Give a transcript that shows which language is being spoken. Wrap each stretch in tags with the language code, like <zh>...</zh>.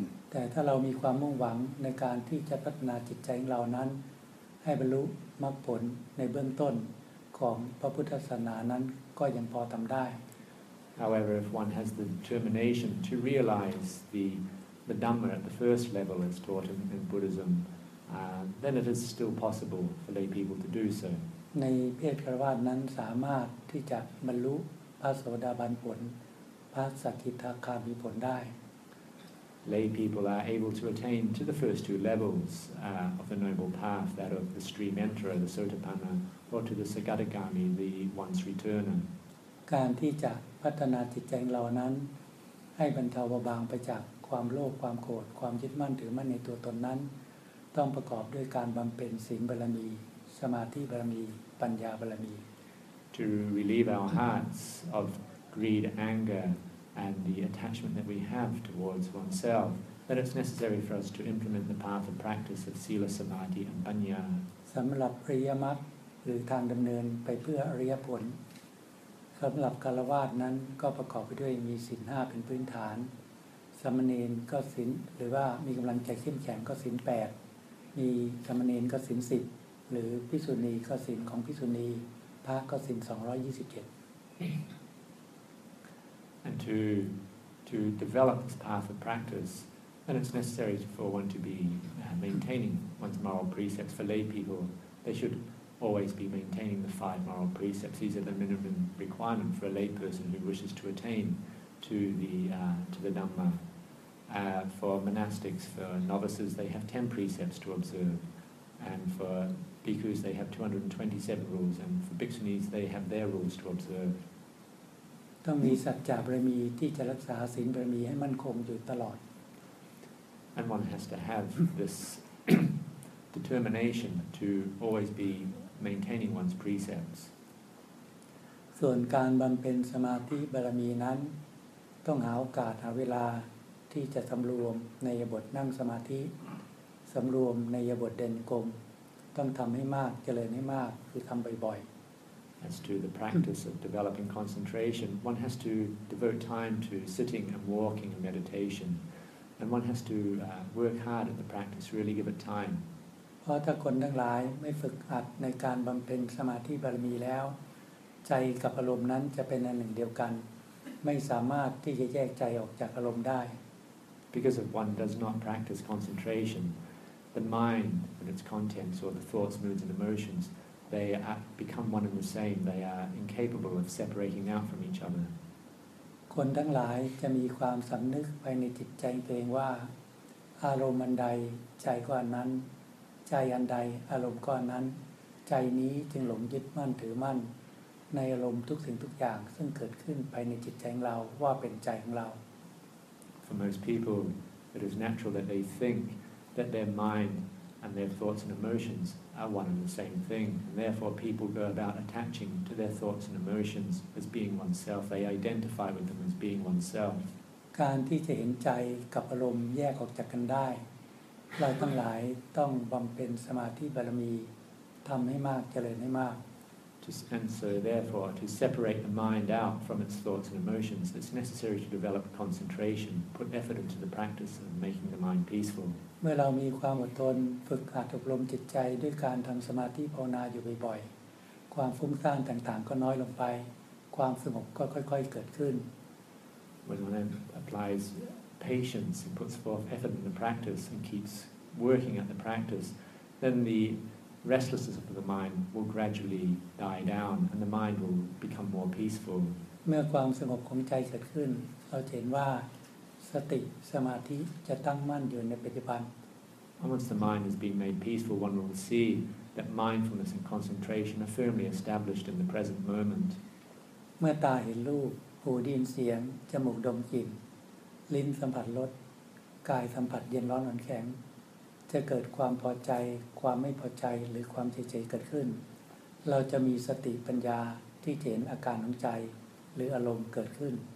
<th>แต่ถ้าเรามีความมุ่งหวังในการที่จะพัฒนาจิตใจของเรานั้นให้บรรลุมรรคผลในเบื้องต้นของพระพุทธศาสนานั้นก็ยังพอทำได้</th> <en>However, if one has the determination to realize the Dhamma at the first level as taught in Buddhism, then it is still possible for lay people to do so.</en> <th>ในเพศฆราวาสนั้นสามารถที่จะบรรลุพระโสดาบันผลพระสกิทาคามีผลได้</th> <en>Lay people are able to attain to the first two levels of the Noble Path, that of the stream enterer, the Sotapanna, or to the Sagadagami, the once returner.</en> <th>การที่จะพัฒนาจิตใจเรานั้นให้บรรเทาเบาบางไปจากความโลภความโกรธความยึดมั่นถือมั่นในตัวตนนั้นต้องประกอบด้วยการบำเพ็ญศีลบารมีสมาธิบารมีปัญญาบารมี</th> <en>To relieve our hearts of greed, anger, and the attachment that we have towards oneself, then it's necessary for us to implement the path of practice of sila, samadhi, and panya.</en> <th>สำหรับอริยมรรคหรือทางดำเนินไปเพื่ออริยผลสำหรับฆราวาสนั้นก็ประกอบไปด้วยมีศีล5เป็นพื้นฐานสามเณรก็ศีลหรือว่ามีกำลังใจเข้มแข็งก็ศีล8มีสามเณรก็ศีล10หรือภิกษุณีก็ศีลของภิกษุณีพระก็ศีล227</th> <en>And to develop this path of practice then it's necessary for one to be maintaining one's moral precepts for lay people they shouldalways be maintaining the five moral precepts. These are the minimum requirement for a lay person who wishes to attain to the Dhamma. For monastics, for novices, they have 10 precepts to observe. And for bhikkhus, they have 227 rules. And for bhikkhunis, they have their rules to observe.</en> <th>ต้องมีสัจจบารมีที่จะรักษาศีลบารมีให้มั่นคงอยู่ตลอด</th> <en>And one has to have this determination to always be maintaining one's precepts.</en> <th>ส่วนการบำเพ็ญสมาธิบารมีนั้นต้องหาโอกาสหาเวลาที่จะสำรวมในยบทนั่งสมาธิสำรวมในยบทเดินกรมต้องทำให้มากเจริญให้มากคือทำบ่อย</th> <en>ๆ As to the practice of developing concentration, one has to devote time to sitting and walking and meditation, and one has to work hard at the practice, really give it time.</en> <th>เพราะถ้าคนทั้งหลายไม่ฝึกหัดในการบำเพ็ญสมาธิบารมีแล้วใจกับอารมณ์นั้นจะเป็นอันหนึ่งเดียวกันไม่สามารถที่จะแยกใจออกจากอารมณ์ได้</th> <en>Because if one does not practice concentration, the mind and its contents or the thoughts, moods and emotions, they become one and the same. They are incapable of separating out from each other.</en> <th>คนทั้งหลายจะมีความสำนึกไปในจิตใจตัวเองว่าอารมณ์ใดใจก็อันนั้นใจอันใดอารมณ์ก้อนนั้นใจนี้จึงหลงยึดมั่นถือมั่นในอารมณ์ทุกสิ่งทุกอย่างซึ่งเกิดขึ้นภายในจิตใจของเราว่าเป็นใจของเรา</th> <en>For most people, it is natural that they think that their mind and their thoughts and emotions are one and the same thing. And therefore, people go about attaching to their thoughts and emotions as being oneself. They identify with them as being oneself.</en> <th>การที่จะเห็นใจกับอารมณ์แยกออกจากกันได้เราทั้งหลายต้องบำเพ็ญสมาธิบารมีทำให้มากเจริญให้มาก</th> <en>And so therefore to separate the mind out from its thoughts and emotions it's necessary to develop concentration put effort into the practice of making the mind peaceful</en> <th>เมื่อเรามีความอดทนฝึกหัดอบรมจิตใจด้วยการทำสมาธิภาวนาอยู่บ่อยๆความฟุ้งซ่านต่างๆก็น้อยลงไปความสงบก็ค่อยๆเกิดขึ้น</th> <en>When one applies patience and puts forth effort in the practice and keeps working at the practice then the restlessness of the mind will gradually die down and the mind will become more peaceful</en> <th>เมื่อความสงบของใจเกิดขึ้นเราเห็นว่าสติสมาธิจะตั้งมั่นอยู่ในปัจจุบัน</th> <en>Once the mind has been made peaceful one will see that mindfulness and concentration are firmly established in the present moment</en> <th>เมื่อตาเห็นรูปหูได้ยินเสียงจมูกดมกลิ่นลิ้นสัมผัสรสกายสัมผัสเย็นร้อนอ่อนแข็งจะเกิดความพอใจความไม่พอใจหรือความเฉยๆเกิดขึ้นเราจะมีสติปัญญาที่เห็นอาการของใจหรืออารมณ์เกิดขึ้น</th>